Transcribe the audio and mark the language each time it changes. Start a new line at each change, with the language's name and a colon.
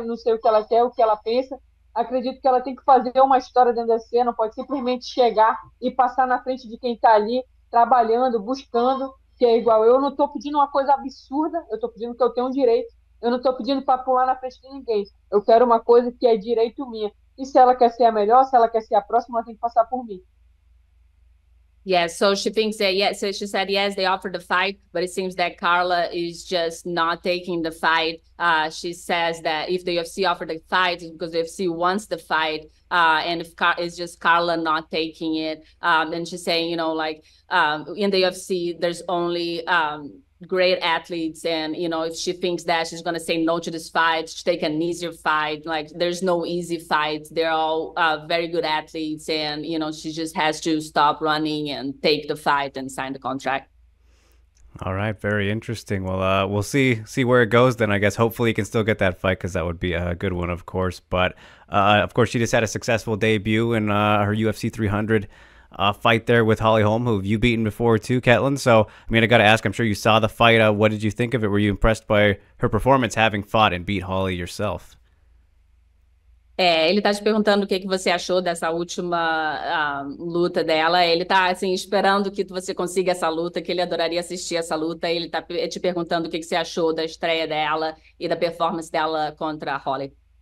Portuguese: Não sei o que ela quer, o que ela pensa. Acredito que ela tem que fazer uma história dentro da cena, não pode simplesmente chegar e passar na frente de quem está ali trabalhando, buscando, que é igual. Eu não estou pedindo uma coisa absurda, eu estou pedindo que eu tenha um direito, eu não estou pedindo para pular na frente de ninguém, eu quero uma coisa que é direito minha. E se ela quer ser a melhor, se ela quer ser a próxima, ela tem que passar por mim.
English: Yes, so she thinks that, yes, so she said, yes, they offered the fight, but it seems that Carla is just not taking the fight. She says that if the UFC offered the fight, it's because the UFC wants the fight, and if Car it's just Carla not taking it, then she's saying, you know, like in the UFC, there's only great athletes, and you know, if she thinks that she's gonna say no to this fight, she take an easier fight. Like, there's no easy fight, they're all very good athletes, and you know, she just has to stop running and take the fight and sign the contract. All right, very interesting. Well, we'll see where it goes then. I guess hopefully you can still get that fight because that would be a good one, of course. But of course, she just had a successful debut in her UFC 300 fight there with Holly Holm, who you've beaten before too, Caitlin. So, I mean, I got to ask. I'm sure you saw the fight. What did you think of it? Were you impressed by her performance, having fought and beat Holly yourself?
Portuguese: É, ele está te perguntando o que que você achou dessa última luta dela. Ele está assim esperando que você consiga essa luta, que ele adoraria assistir essa luta. Ele está te perguntando o que que você achou da estreia dela e da performance dela contra a Holly.